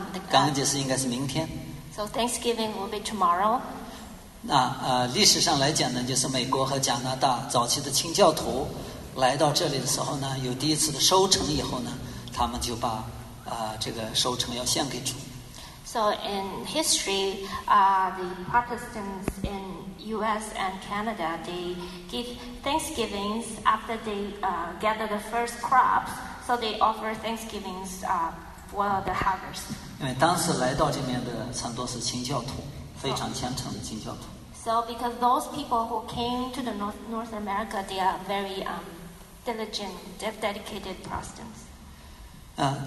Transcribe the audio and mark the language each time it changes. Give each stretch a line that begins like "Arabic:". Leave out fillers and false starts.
Chinese: 感恩节是应该是明天。
English: So Thanksgiving will be tomorrow.
Chinese: 那历史上来讲呢，就是美国和加拿大早期的清教徒来到这里的时候呢，有第一次的收成以后呢，他们就把这个收成要献给主。
English: So in history, the Protestants in U.S. and Canada, they give Thanksgivings after they gather the first crops. So they offer thanksgivings for the harvest.
Chinese: 因为当时来到这边的很多是清教徒，非常虔诚的清教徒。
English: So because those people who came to the North America, they are very diligent, dedicated Protestants.